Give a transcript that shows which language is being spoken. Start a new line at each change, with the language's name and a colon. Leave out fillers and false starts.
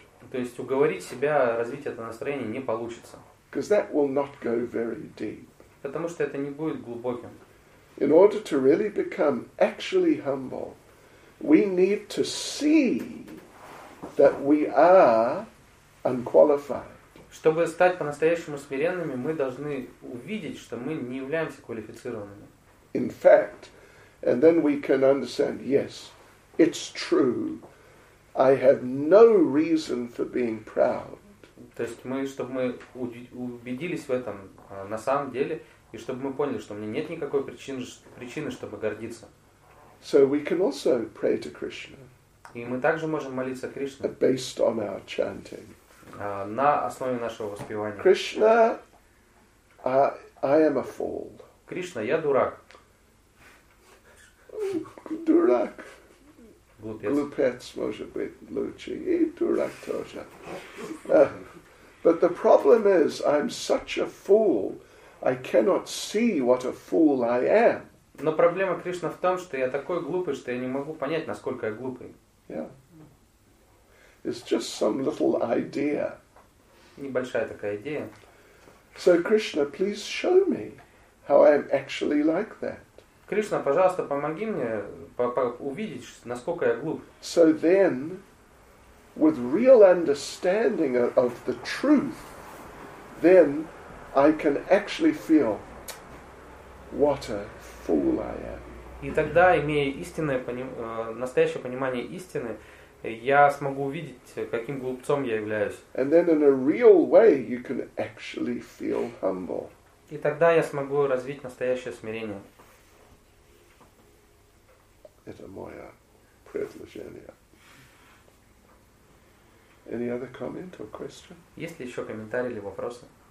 Russian: То есть уговорить себя развить это настроение не получится.
English: Because that will not go very deep.
Russian: Потому что это не будет глубоким.
English: In order to really become actually humble, we need to see that we are unqualified.
Russian: Чтобы стать по-настоящему смиренными, мы должны увидеть, что мы не являемся квалифицированными.
English: In fact, and then we can understand, yes, it's true. I have no reason for being proud.
Russian: То есть мы, чтобы мы убедились в этом на самом деле, и чтобы мы поняли, что у меня нет никакой причины, чтобы гордиться.
English: So we can also pray to Krishna.
Russian: И мы также можем молиться Кришне.
English: Based on our chanting.
Russian: На основе нашего воспевания.
English: Krishna, I am a fool.
Russian: Кришна, я дурак. Дурак. Глупец. Глупец может быть лучше. И дурак тоже.
English: But the problem is, I'm such a fool, I cannot see what a fool I am.
Russian: Но проблема Кришна в том, что я такой глупый, что я не могу понять, насколько я глупый.
English: Yeah. It's just some little idea.
Russian: Небольшая такая идея.
English: So Krishna, please show me how I am actually like that.
Russian: Кришна, пожалуйста, помоги мне увидеть, насколько я глуп.
English: So then, with real understanding of the truth, then I can actually feel what a fool I am.
Russian: И тогда, имея истинное настоящее понимание истины, я смогу увидеть, каким глупцом я являюсь.
English: And then in a real way you can actually feel humble.
Russian: И тогда я смогу развить настоящее смирение. Это мое предложение.
English: Any other comment or question?
Russian: Есть ли еще комментарии или вопросы?